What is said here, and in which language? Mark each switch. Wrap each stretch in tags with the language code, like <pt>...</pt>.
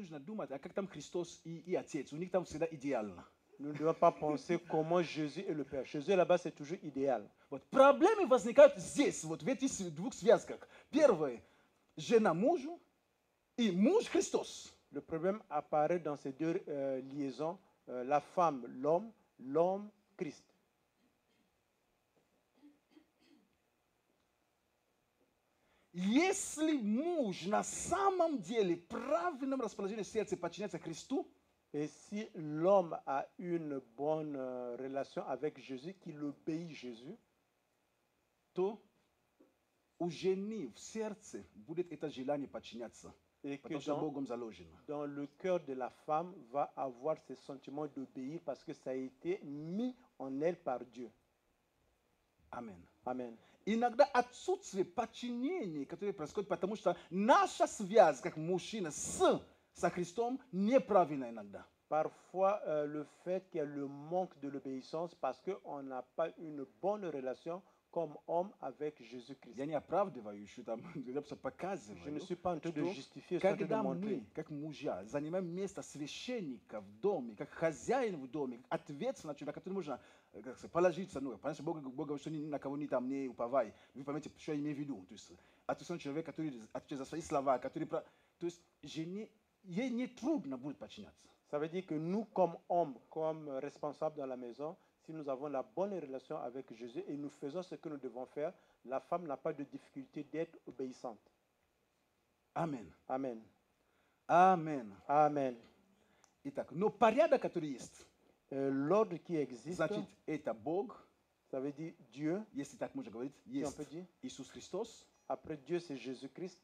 <fr>Nous ne devons pas penser comment Jésus est le Père. Jésus là-bas, c'est toujours idéal. Votre problème</fr> <ru>возникает здесь. Вот в этих двух связках. Первое, жена мужу и муж Христос.</ru> <fr>Le problème apparaît dans ces deux liaisons, la femme, l'homme, l'homme, Christ.</fr> <ru>Если муж на самом деле правильном расположении сердца подчиняется Христу.</ru> <fr>Et si l'homme a une bonne relation avec Jésus, qu'il obéit Jésus, tout au génie, au</fr> <ru>сердце, будет это желание подчиняться.</ru> <fr>Et que dans le cœur de la femme va avoir ce sentiment d'obéir parce que ça a été mis en elle par Dieu. Amen. Amen.</fr> <ru>Иногда отсутствие подчинения, которое происходит, потому что наша связь как мужчина с Христом неправильна иногда.</ru> <fr>Parfois, le fait qu'il y ait le manque de l'obéissance parce qu'on n'a pas une bonne relation comme homme avec Jésus-Christ.</fr> <ru>Я не оправдываю, что там, я просто показываю.</ru> <fr>Je ne suis pas en train de justifier, je suis en train de montrer.</fr> <ru>Когда мы, как мужья, занимаем место священника в доме, как хозяин в доме, ответственный человек, который можно положиться, ну, понятно, Бог говорит, что на кого ни там не уповай. Вы поймете, что я имею в виду. То есть, ответственный человек, который отвечает за свои слова, который... То есть, ей не трудно будет подчиняться.</ru> <fr>Ça veut dire que nous, comme hommes, comme responsables dans la maison, si nous avons la bonne relation avec Jésus et nous faisons ce que nous devons faire, la femme n'a pas de difficulté d'être obéissante. Amen. Amen. Amen. Amen.</fr> <ru>Итак, но порядок, который есть,</ru> <fr>l'ordre qui existe,</fr> <ru>значит, это Бог,</ru> <fr>ça veut dire Dieu,</fr> <ru>если так можно говорить, есть,</ru> <fr>si on peut dire,</fr> <ru>Иисус Христос,</ru> <fr>après Dieu, c'est Jésus-Christ,</fr>